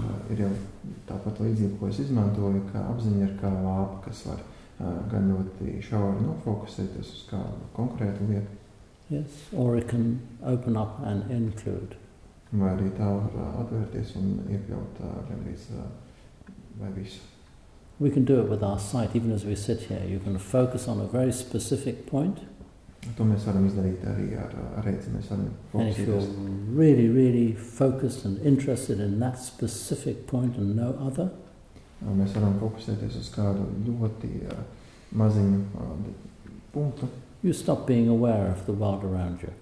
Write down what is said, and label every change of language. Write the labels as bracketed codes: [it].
[lv] Ir jau tāpat līdzība, ko es izmantoju, ka apziņa ir kā lāpa, kas var gan ļoti šauri nofokusēties uz kādu konkrētu lietu. [en] Yes, or it can open up and include. [lv] Vai arī tā var atvērties un iekļaut gandrīz vai visu. [en] We can do it with our sight, even as we sit here. You can focus on a very specific point. [lv] To mēs varam izdarīt arī ar rēci, mēs varam fokusēties. [en] And if you're really, really focused and interested in that specific point and no other, [lv] mēs varam fokusēties uz kādu ļoti maziņu punktu. [en] You stop being aware of the world around you.